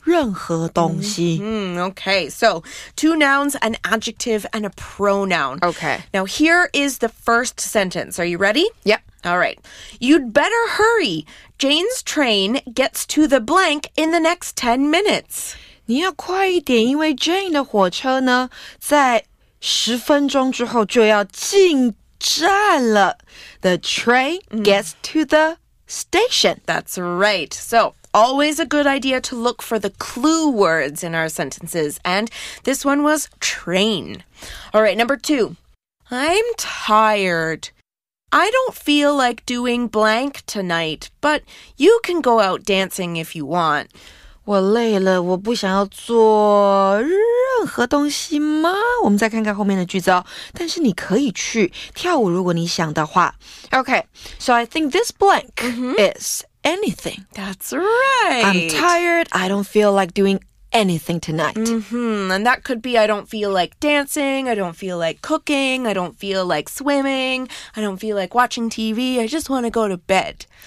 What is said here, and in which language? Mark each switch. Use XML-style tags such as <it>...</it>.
<zh>任何东西.</zh> <en>Mm-hmm. Okay. So, two nouns, an adjective, and a pronoun. Okay. Now, here is the first sentence. Are you ready? Yep. All right. You'd better hurry. Jane's train gets to the blank in the next 10 minutes.</en> <zh>你要快一点，因为 Jane 的火车呢，在十分钟之后就要进站了。</zh> <en>The train gets to the station. That's right. So, always a good idea to look for the clue words in our sentences. And this one was train. All right, number two. I'm tired. I don't feel like doing blank tonight, but you can go out dancing if you want.</en> <zh>我累了，我不想要做任何东西吗？我们再看看后面的句子哦。但是你可以去跳舞，如果你想的话。</zh> <en>Okay, so I think this blank is anything. That's right. I'm tired. I don't feel like doing anything tonight. Mm-hmm. And that could be, I don't feel like dancing, I don't feel like cooking, I don't feel like swimming, I don't feel like watching TV, I just want to go to bed.</en>